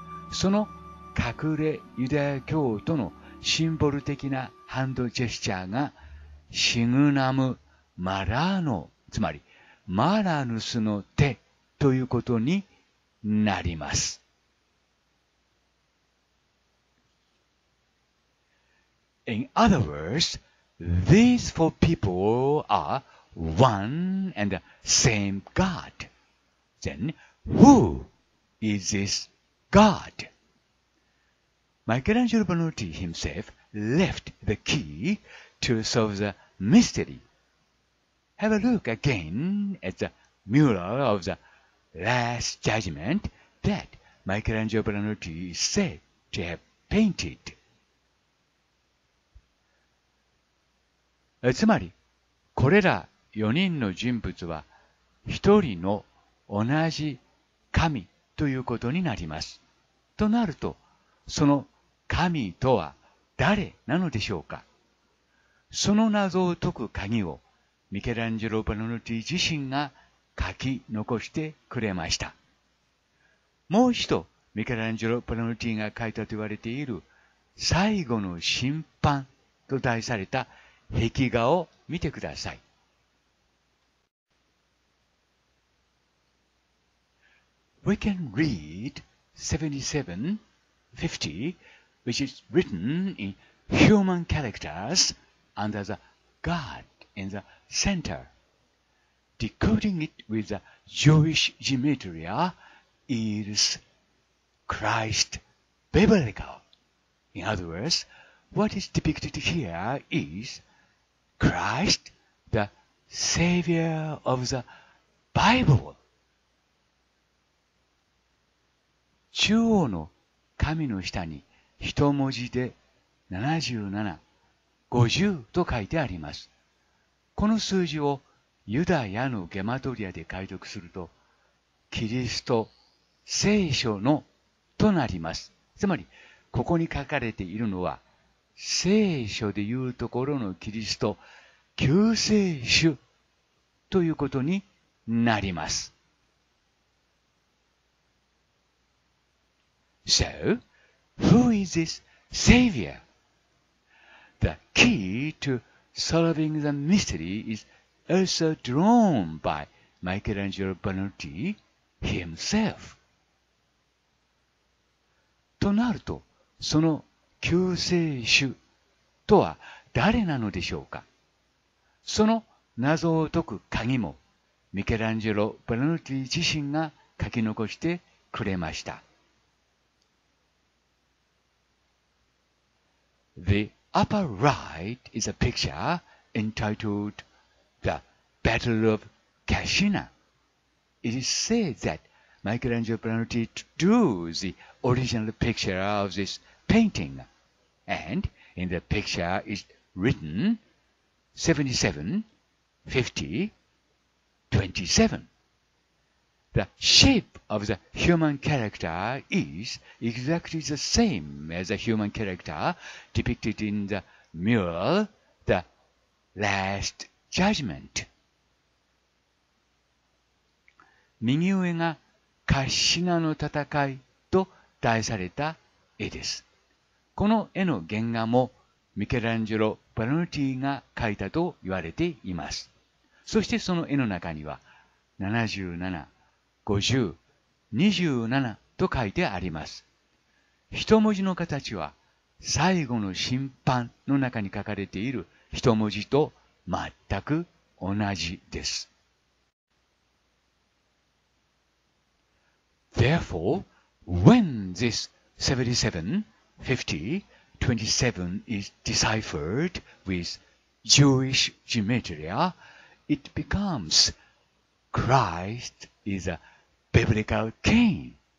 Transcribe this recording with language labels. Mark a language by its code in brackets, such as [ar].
[ja] その隠れユダヤ教徒のシンボル的なハンドジェスチャーがシグナムマラーノ、つまりマラヌスの手ということになります。 [en] In other words, these four people are one and the same God. Then, who is this God? Michelangelo Bonotti himself left the key to solve the mystery. Have a look again at the mural of the Last Judgment that Michelangelo Bonotti is said to have painted. [ja] つまり、これら4人の人物は一人の同じ神ということになります。となると、その神とは誰なのでしょうか。その謎を解く鍵をミケランジェロ・バノヌティ自身が書き残してくれました。もう一度ミケランジェロ・バノヌティが書いたと言われている最後の審判と題された壁画を見てください。 [en] We can read 7750, which is written in human characters under the God in the center. Decoding it with the Jewish gematria is Christ biblical. In other words, what is depicted here is Christ, the Savior of the Bible. [ja] 中央の紙の下に一文字で7750と書いてあります。この数字をユダヤのゲマトリアで解読すると、キリスト、聖書のとなります。つまり、ここに書かれているのは、聖書でいうところのキリスト、救世主ということになります。 [en] So, who is this Savior? The key to solving the mystery is also drawn by Michelangelo Bonotti himself. [ja] となると、その救世主とは誰なのでしょうか？その謎を解く鍵もミケランジェロ・バノティ自身が書き残してくれました。 [en] The upper right is a picture entitled The Battle of Cascina. It is said that Michelangelo Bonotti drew the original picture of this painting. And in the picture is written 77, 50, 27. The shape of the human character is exactly the same as the human character depicted in the mural, The Last Judgment. [ja] 右上がカシナの戦いと題された絵です。この絵の原画もミケランジェロ・バルノティが描いたと言われています。そしてその絵の中には77、50、27と書いてあります。一文字の形は最後の審判の中に書かれている一文字と全く同じです。 [en] Therefore, when this 77, 50, 27 is deciphered with Jewish gematria, it becomes Christ is a biblical king.